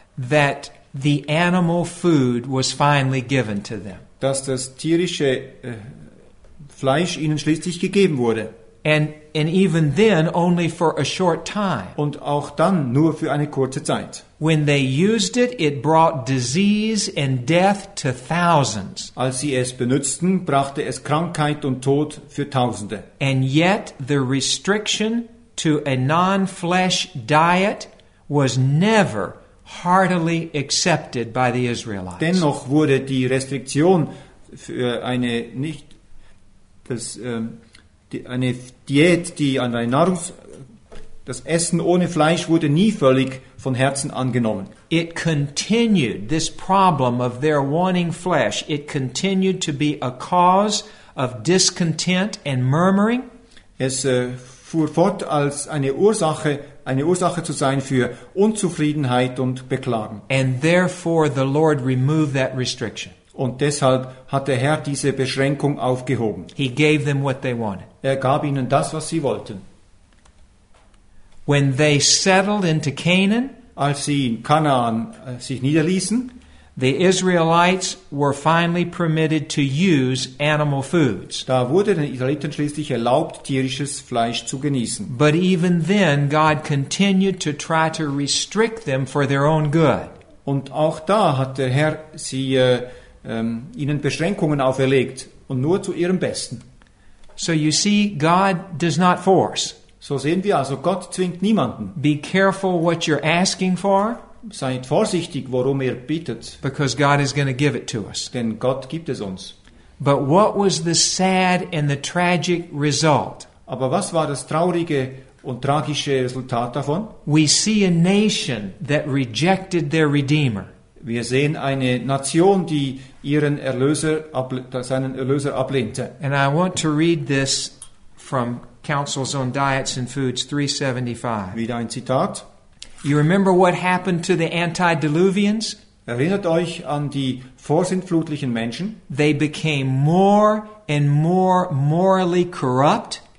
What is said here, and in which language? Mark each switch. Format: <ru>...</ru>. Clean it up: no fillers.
<en>that the animal food was finally given to them.</en> <de>Dass das tierische Fleisch ihnen schließlich gegeben wurde.</de> <en>And even then only for a short time.</en> <de>Und auch dann nur für eine kurze Zeit.</de> <en>When they used it, it brought disease and death to thousands.</en> <de>Als sie es benutzten, brachte es Krankheit und Tod für Tausende.</de> <en>And yet the restriction to a non-flesh diet was never heartily accepted by the Israelites.</en> <de>Dennoch wurde die Restriktion für eine nicht das eine Diät, die an ein Nahrungs das Essen ohne Fleisch wurde nie völlig von Herzen angenommen.</de> <en>It continued this problem of their wanting flesh. It continued to be a cause of discontent and murmuring.</en> <de>Es fuhr fort als eine Ursache zu sein für Unzufriedenheit und Beklagen.</de> <en>And therefore the Lord removed that restriction.</en> <de>Und deshalb hat der Herr diese Beschränkung aufgehoben.</de> <en>He gave them what they wanted.</en> <de>Er gab ihnen das, was sie wollten.</de> <en>When they settled into Canaan,</en> <de>als sie in Kanaan sich niederließen,</de> <en>the Israelites were finally permitted to use animal foods.</en> <de>Da wurde den Israeliten schließlich erlaubt, tierisches Fleisch zu genießen.</de> <en>But even then, God continued to try to restrict them for their own good.</en> <de>Und auch da hat der Herr sie ihnen Beschränkungen auferlegt und nur zu ihrem Besten.</de> <en>So you see, God does not force.</en> <de>So sehen wir also, Gott zwingt niemanden.</de> <en>Be careful what you're asking for.</en> <de>Seid vorsichtig, worum ihr bittet.</de> <en>Because God is going to give it to us.</en> <de>Denn Gott gibt es uns.</de> <en>But what was the sad and the tragic result?</en> <de>Aber was war das traurige und tragische Resultat davon?</de> <en>We see a nation that rejected their Redeemer.</en> <de>Wir sehen eine Nation, die seinen Erlöser ablehnte.</de> <en>And I want to read this from Councils on Diets and Foods 375.</en> <de>Wieder ein Zitat.</de> <en>You remember what happened to the antediluvians?</en> <de>Erinnert euch an die vorsintflutlichen Menschen?</de> <en>They became more and more morally corrupt.</en>